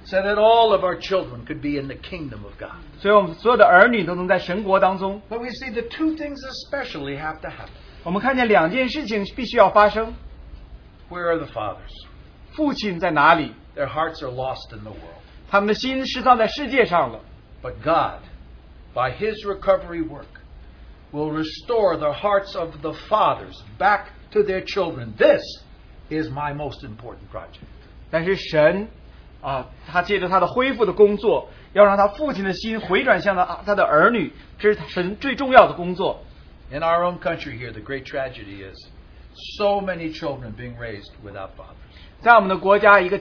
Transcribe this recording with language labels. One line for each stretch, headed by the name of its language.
English: so that all of our children could be in the kingdom of God.
Chinese: 所以我们所有的儿女都能在神国当中。
English: But we see the two things especially have to happen.
Chinese: 我们看见两件事情必须要发生。
English: Where are the fathers?
Chinese: 父亲在哪里?
English: Their hearts are lost in the world.
Chinese: 他们的心失散在世界上了。
English: But God, by His recovery work, will restore the hearts of the fathers back to their children. This is my most important project.
Chinese: 但是神,他借着他的恢复的工作, 要让他父亲的心回转向他的儿女, 这是神最重要的工作。
English: In our own country here, the great tragedy is so many children being raised without fathers.